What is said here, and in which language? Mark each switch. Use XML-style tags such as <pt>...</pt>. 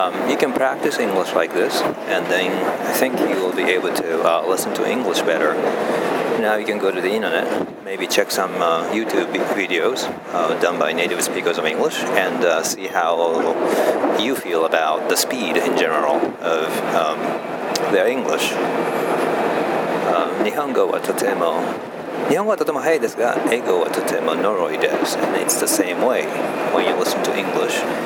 <en>You can practice English like this and then I think you will be able to listen to English better. Now you can go to the internet, maybe check some YouTube videos done by native speakers of English and see how you feel about the speed in general of their English.</en> <ja>日本語はとても速いですが、英語はとてものろいです。</ja> <en>And it's the same way when you listen to English.</en>